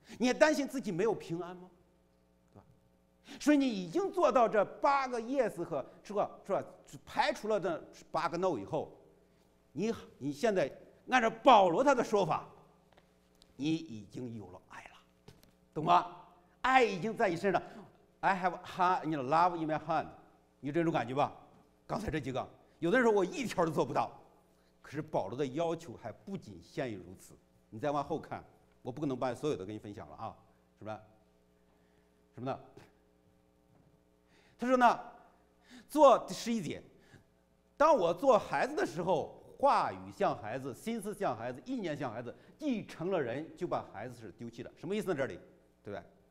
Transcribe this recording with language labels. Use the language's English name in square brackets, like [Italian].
[Chinese] 你也担心自己没有平安吗？对吧？所以你已经做到这8个 yes 和是吧排除了这8个 no 以后，你现在按照保罗他的说法，你已经有了爱了，懂吗？爱已经在你身上。 [English] I have hand, love in my hand， [Chinese] 你这种感觉吧。刚才这几个有的人说我一条都做不到，可是保罗的要求还不仅限于如此。你再往后看，我不可能把所有的跟你分享了啊，是吧？什么呢？他说呢，做11节，当我做孩子的时候，话语像孩子，心思像孩子，意念像孩子，既成了人，就把孩子是丢弃了。什么意思呢？这里，对不对？